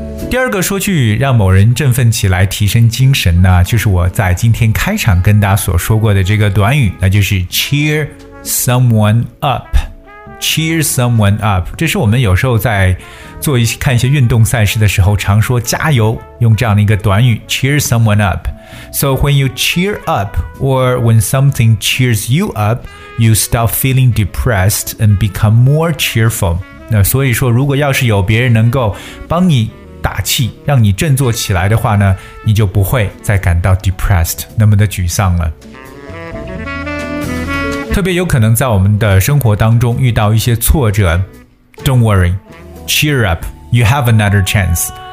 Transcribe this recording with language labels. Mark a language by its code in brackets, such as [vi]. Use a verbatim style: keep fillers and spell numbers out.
[zh] 第二个说句让某人振奋起来提升精神呢，就是我在今天开场跟大家所说过的这个短语，那就是 cheer someone up cheer someone up， 这是我们有时候在做一些看一些运动赛事的时候常说加油，用这样的一个短语 cheer someone up。 [en] So when you cheer up or when something cheers you up, you stop feeling depressed and become more cheerful。 [zh] 那所以说如果要是有别人能够帮你打气让你振作起来的话呢，你就不会再感到 depressed 那么的沮丧了。特别有可能在我们的生活当中遇到一些挫折， [en] Don't worry, cheer up, you have another chance。